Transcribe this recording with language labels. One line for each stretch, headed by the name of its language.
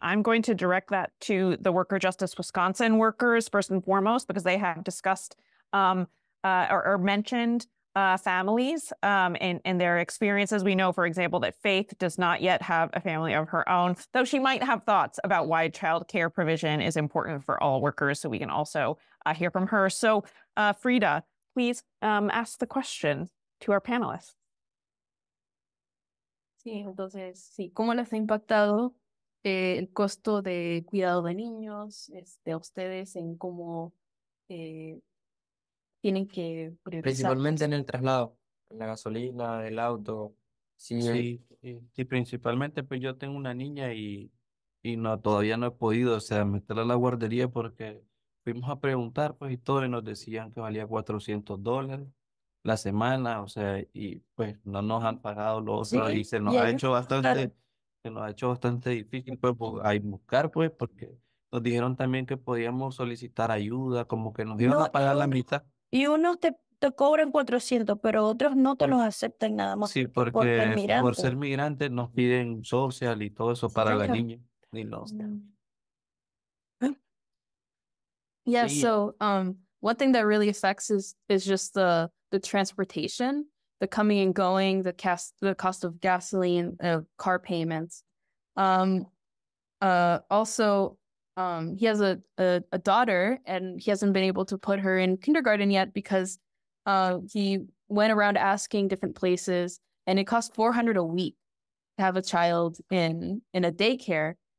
English: I'm going to direct that to the Worker Justice Wisconsin workers first and foremost, because they have discussed or mentioned families and their experiences. We know, for example, that Faith does not yet have a family of her own, though she might have thoughts about why childcare provision is important for all workers. So we can also hear from her. So Frida, please ask the question to our panelists.
Spanish: Sí, entonces, sí, ¿cómo les ha impactado el costo de cuidado de niños, a ustedes en cómo tienen que priorizar? Principalmente en el traslado, en la gasolina, el auto. Sí, sí, sí, principalmente, pues yo tengo una niña y no, todavía no he podido, o sea, meterla a la guardería porque fuimos a preguntar, pues, y todo, y nos decían que valía $400 la semana, o sea, y pues no nos han pagado lo otro, sí, y se nos ha hecho bastante, se nos ha hecho bastante difícil, pues, a buscar, pues, porque nos dijeron también que podíamos solicitar ayuda, como que nos iban a pagar la mitad. Y unos te cobran 400, pero otros no te los aceptan nada más. Sí, porque por ser migrante nos piden social y todo eso para la niña. Y no.
English: Yeah, sí. So one thing that really affects is just the transportation, the coming and going, the cost of gasoline, car payments. He has a daughter, and he hasn't been able to put her in kindergarten yet because he went around asking different places, and it costs $400 a week to have a child in a daycare.